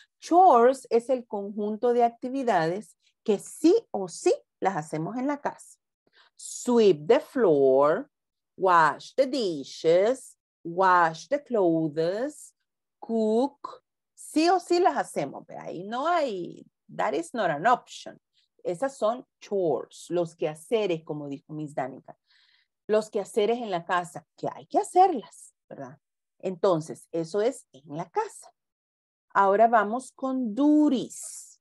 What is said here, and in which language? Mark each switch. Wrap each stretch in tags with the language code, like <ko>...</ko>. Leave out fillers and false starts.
<es>Chores es el conjunto de actividades que sí o sí las hacemos en la casa.</es> <en>Sweep the floor, wash the dishes, wash the clothes, cook.</en> <es>Sí o sí las hacemos, pero ahí no hay.</es> <en>That is not an option.</en> <es>Esas son chores, los quehaceres, como dijo Miss Danica. Los quehaceres en la casa, que hay que hacerlas, ¿verdad? Entonces, eso es en la casa. Ahora vamos con duties.</es>